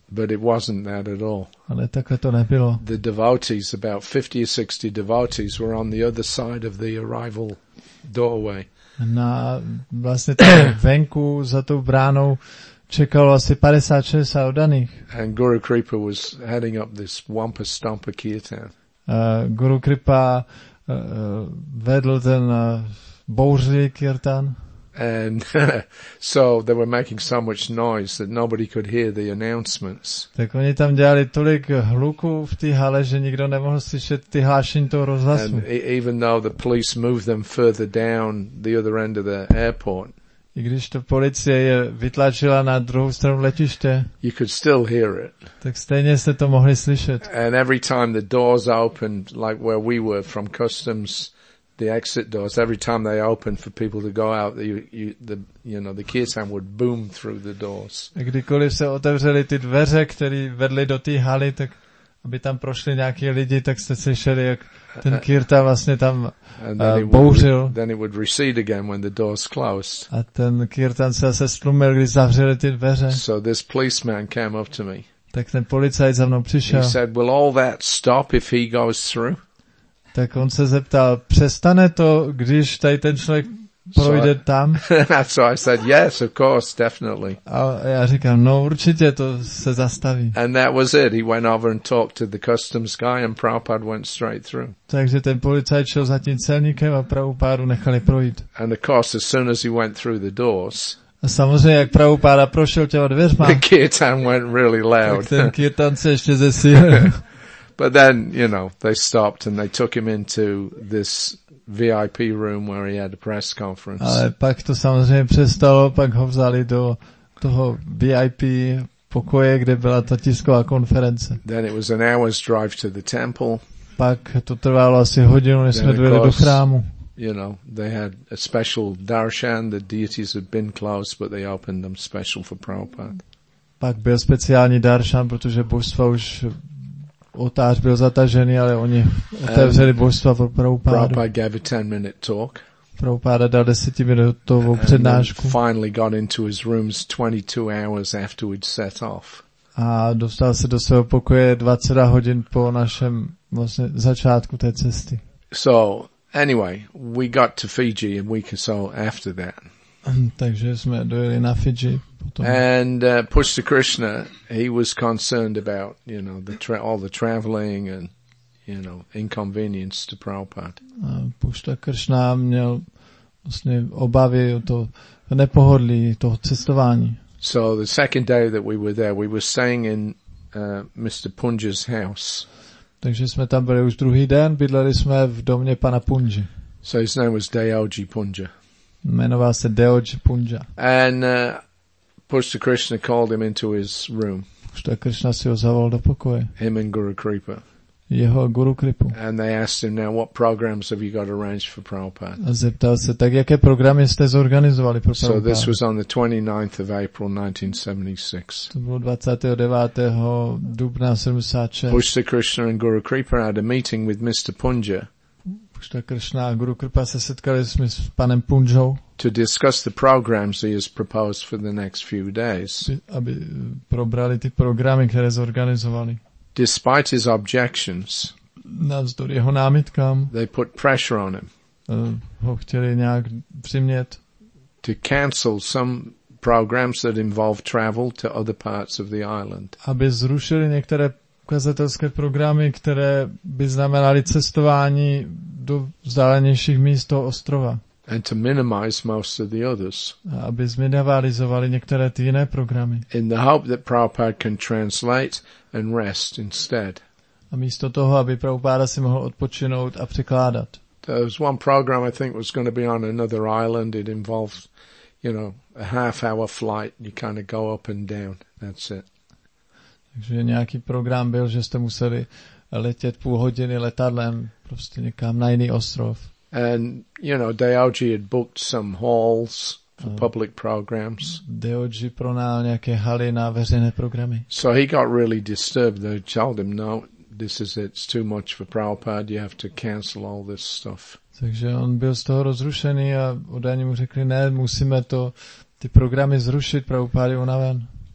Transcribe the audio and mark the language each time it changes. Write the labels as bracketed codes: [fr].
[en] But it wasn't that at all. [cs] Ale takhle to nebylo. [en] The devotees, about 50 or 60 devotees, were on the other side of the arrival doorway. [cs] Na vlastně tam venku za tou bránou čekalo asi 50-60 oddaných. [en] And Guru Kripa was heading up this Wampa Stompa Kirtan. [cs] Guru Kripa vedl ten bouřlivý kirtan. [en] And so they were making so much noise that nobody could hear the announcements. [cs] Tak oni tam dělali tolik hluku v té hale, že nikdo nemohl slyšet ty hlášení toho rozhlasu. [en] And even though the police moved them further down the other end of the airport, [cs] i když to policie je vytlačila na druhou stranu letiště, [en] you could still hear it. [cs] Tak stejně jste to mohli slyšet. [en] And every time the doors opened, like where we were from customs, the exit doors, every time they opened for people to go out, the kirtan would boom through the doors. [cs] A kdykoliv se otevřely ty dveře, které vedly do té haly, tak aby tam prošli nějaký lidi, tak jste slyšeli, jak ten kirtan vlastně tam bouřil. [en] Then it would recede again when the doors closed. [cs] A ten kirtan se zase stlumil, když zavřeli ty dveře. [en] So this policeman came up to me. [cs] Tak ten policajt za mnou přišel. [en] He said, will all that stop if he goes through? [cs] Tak on se zeptal, přestane to, když tady ten člověk projde tam? [en] So I said, yes, of course, definitely. [cs] A já říkám, no určitě, to se zastaví. [en] And that was it. He went over and talked to the customs guy and Prabhupada went straight through. [cs] Takže ten policajt šel za tím celníkem a Prabhupádu nechali projít. [en] And of course, as soon as he went through the doors, [cs] a samozřejmě, jak Prabhupáda prošel těma dveřma, [en] the kirtan went really loud. [cs] Tak ten kirtan se ještě zesílil. [en] But then, you know, they stopped and they took him into this VIP room where he had a press conference. [cs] Ale pak to samozřejmě přestalo, pak ho vzali do toho VIP pokoje, kde byla ta tisková konference. [en] Then it was an hour's drive to the temple. [cs] Pak to trvalo asi hodinu, než jsme dojeli do chrámu. [en] You know, they had a special darshan, the deities had been closed, but they opened them special for Prabhupada. [cs] Pak byl speciální darshan, protože božstva už otář byl zatažený, ale oni otevřeli božstva pro Prabhupádu. [en] Prabhupáda gave a 10-minute talk. [cs] Prabhupáda dal 10-minutovou přednášku. [en] Finally got into his rooms 22 hours after we'd set off. [cs] A dostal se do svého pokoje 20 hodin po našem vlastně začátku té cesty. [en] So anyway, we got to Fiji a week or so after that. [cs] Takže jsme dojeli na Fiji potom. [en] And Pushta Krishna, he was concerned about, you know, all the traveling and, you know, inconvenience to Prabhupada. [cs] Pushta Krishna měl vlastně obavy o to nepohodlí toho cestování. [en] So the second day that we were there, we were staying in Mr. Punja's house. [cs] Takže jsme tam byli už druhý den, bydleli jsme v domě pana Punji. [en] So his name was Dayoji Punja. [cs] Jmenoval se Deoji Punja. [en] And Pushta Krishna called him into his room. [cs] Pushta Krishna si ho zavolal do pokoje. [en] Him and Guru Kripa. [cs] Jeho Guru Kripu. [en] And they asked him, now what programs have you got arranged for Prabhupada? [cs] A zeptal se, tak jaké programy jste zorganizovali pro Prabhupada? [en] So this was on the 29th of April 1976. [cs] To bylo 29. dubna 76. [en] Pushta Krishna and Guru Kripa had a meeting with Mr. Punja. [cs] Pushta Krishna a Guru Kripa se setkali s panem Punjou. [en] To discuss the programs he has proposed for the next few days. [cs] Aby probrali ty programy, které zorganizovali. [en] Despite his objections, [cs] navzdory jeho námitkám, [en] they put pressure on him. [cs] Ho chtěli nějak přimět. [en] To cancel some programs that involve travel to other parts of the island. [cs] Aby zrušili některé kazatelské programy, které by znamenaly cestování do vzdálenějších míst toho ostrova. [en] And to minimize most of the others. [cs] Aby zminimalizovali některé ty jiné programy. [en] In the hope that Prabhupada can translate and rest instead. [cs] A místo toho, aby Prabhupada si mohl odpočinout a překládat. [en] There was one program I think was going to be on another island. It involved, you know, a half-hour flight. You kind of go up and down. That's it. [cs] Takže nějaký program byl, že jste museli letět půl hodiny letadlem prostě někam na jiný ostrov. [en] And you know, Deoji had booked some halls for public programs. [cs] Deoji pronajal nějaké haly na veřejné programy. [en] So he got really disturbed. They told him, "No, this is it. It's too much for Prabhupada. You have to cancel all this stuff." [cs] Takže on byl z toho rozrušený a údajně mu řekli, ne, musíme to ty programy zrušit, Prabhupada je unaven.